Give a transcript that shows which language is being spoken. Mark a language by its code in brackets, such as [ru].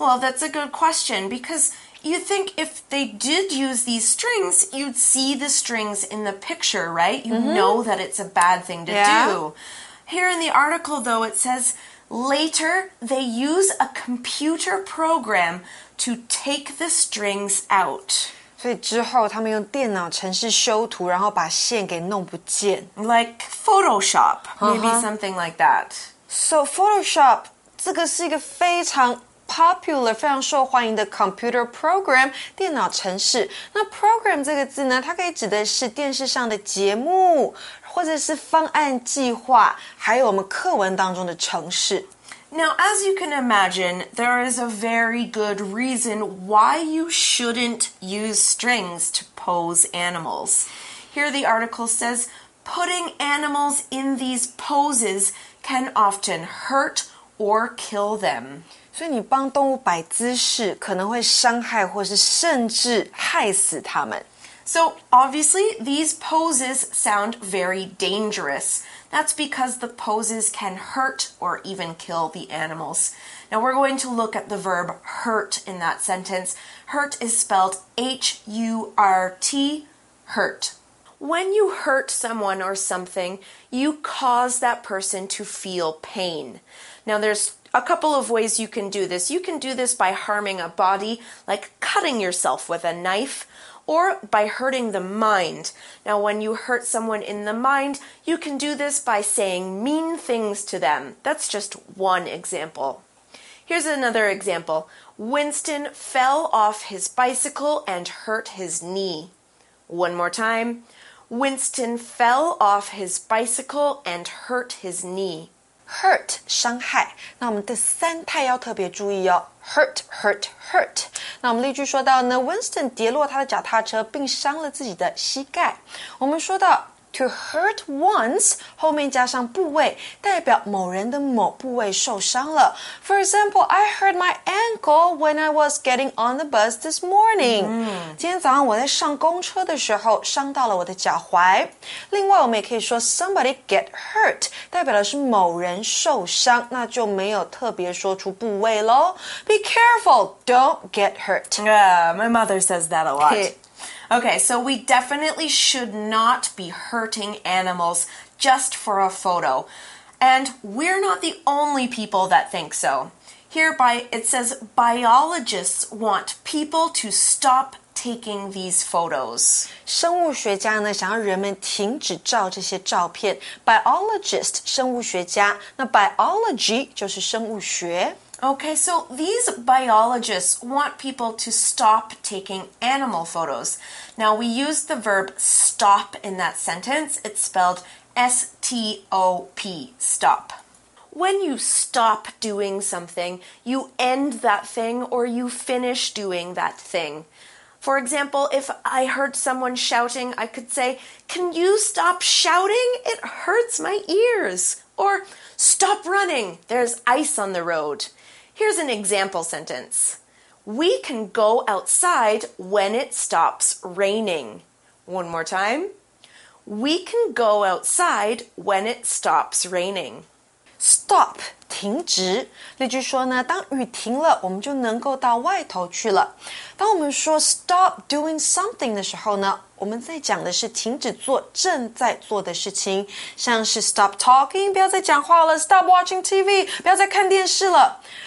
[en] Well, that's a good question, because you think if they did use these strings, you'd see the strings in the picture, right? You、mm-hmm. know that it's a bad thing to、 yeah. do. Here in the article, though, it says, later, they use a computer program to take the strings out. [zh] 所以之后他们用电脑程式修图然后把线给弄不见 [en] Like Photoshop, maybe、uh-huh. something like that. [zh] So Photoshop, 这个是一个非常 popular, 非常受欢迎的 [en] computer program, [zh] 电脑程式。那 program 这个字呢它可以指的是电视上的节目或者是方案计划还有我们课文当中的程式。 [en] Now, as you can imagine, there is a very good reason why you shouldn't use strings to pose animals. Here the article says, putting animals in these poses can often hurt or kill them. [zh] 所以你帮动物摆姿势可能会伤害或是甚至害死它们。 [en] So, obviously, these poses sound very dangerous. That's because the poses can hurt or even kill the animals. Now, we're going to look at the verb hurt in that sentence. Hurt is spelled H-U-R-T, hurt. When you hurt someone or something, you cause that person to feel pain. Now, there's a couple of ways you can do this. You can do this by harming a body, like cutting yourself with a knife,Or by hurting the mind. Now, when you hurt someone in the mind, you can do this by saying mean things to them. That's just one example. Here's another example. Winston fell off his bicycle and hurt his knee. One more time. Winston fell off his bicycle and hurt his knee. [zh] Hurt, 伤害。那我们第三态要特别注意哦。 [en] Hurt, hurt, hurt. [zh] 那我们例句说到呢 ,Winston 跌落他的脚踏车并伤了自己的膝盖。我们说到 , [en] to hurt once, [zh] 后面加上部位代表某人的某部位受伤了。 [en] For example, I hurt my ankle when I was getting on the bus this morning.、 Mm. [zh] 今天早上我在上公车的时候伤到了我的脚踝。另外我们也可以说 [en] somebody get hurt. [zh] 代表的是某人受伤，那就没有特别说出部位咯。 [en] Be careful, don't get hurt. Yeah, my mother says that a lot. Okay, so we definitely should not be hurting animals just for a photo. And we're not the only people that think so. Hereby, it says biologists want people to stop taking these photos. [zh] 生物学家呢想要人们停止照这些照片。 Biologist, 生物学家。那 biology 就是生物学。 [en] Okay, so these biologists want people to stop taking animal photos. Now, we use the verb stop in that sentence. It's spelled S-T-O-P, stop. when you stop doing something, you end that thing or you finish doing that thing. For example, if I heard someone shouting, I could say, "Can you stop shouting? It hurts my ears." Or, "Stop running. There's ice on the road." Here's an example sentence. We can go outside when it stops raining. One more time. We can go outside when it stops raining. [zh] Stop, 停止。例句说呢，当雨停了，我们就能够到外头去了。当我们说 [en] stop doing something [zh] 的时候呢，我们在讲的是停止做正在做的事情，像是 [en] stop talking, [zh] 不要再讲话了， [en] stop watching TV, [zh] 不要再看电视了。